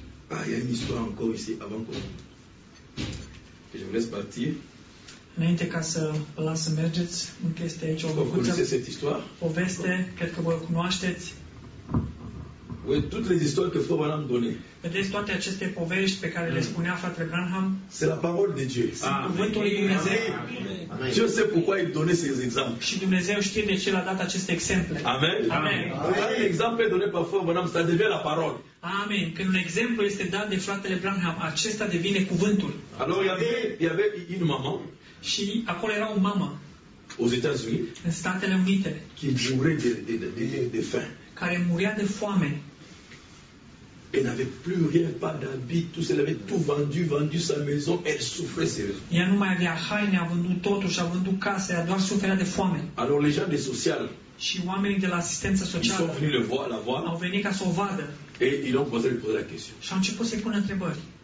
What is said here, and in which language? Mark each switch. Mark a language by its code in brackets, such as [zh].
[fr] Ah, il y a une histoire encore ici avant que je vous laisse partir. [ro] Înainte ca să vă las să mergeți, un chestie aici o poveste. Poveste, cred că vă cunoașteți. [fr] Oui, toutes les histoires que Frère Branham donnait. [ro] Vedeți toate aceste povești pe care le spunea Frate Branham? [fr] C'est la parole de Dieu. [ro] Cuvântul lui Dumnezeu. [fr] Dieu sait pourquoi il donnait ces exemples. [ro] Și Dumnezeu știe de ce l-a dat aceste exemple. Amen. Amen. [fr] Un exemple donné par Frère Branham, ça devient la parole. [ro] Amen. Când un exemplu este dat de fratele Branham, acesta devine cuvântul. [fr] Alors, il y avait une maman. [ro] Și acolo era o mamă. [fr] Aux États-Unis. [ro] În Statele Unite. [fr] Qui mourait de faim. [ro] Care muria de foame. [fr] Elle n'avait plus rien, pas d'habit, tout, elle avait tout vendu sa maison, elle souffrait sérieusement. [ro] Ea nu mai avea haine, a vândut totul și a vândut casa, ea doar suferea de foame. [fr] Alors, les gens des sociales. [ro] Și oamenii de la asistență socială. [fr] Ils sont venus la voir. [ro] Au venit ca să o vadă. [fr] Et ils ont posé la question. [ro] Și au început să-i pună întrebări.